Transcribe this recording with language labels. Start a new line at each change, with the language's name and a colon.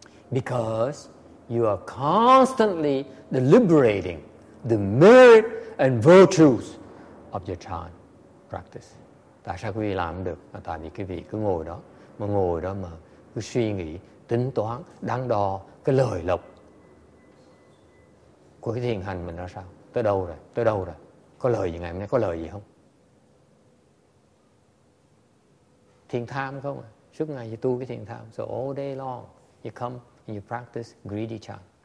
English: Because you are constantly deliberating the merit and virtues of your chan practice.
Vietnamese: Tại sao quý vị làm được? Mà tại vì quý vị cứ ngồi đó mà cứ suy nghĩ, tính toán, đắn đo cái lời lộc của cái thiền hành mình ra sao? Tới đâu rồi? Có lời gì ngày hôm nay? Có lời gì không? Thiền tham không à? Suốt ngày thì tu cái thiền tham.
English: So all day long, you come and you practice greedy chan.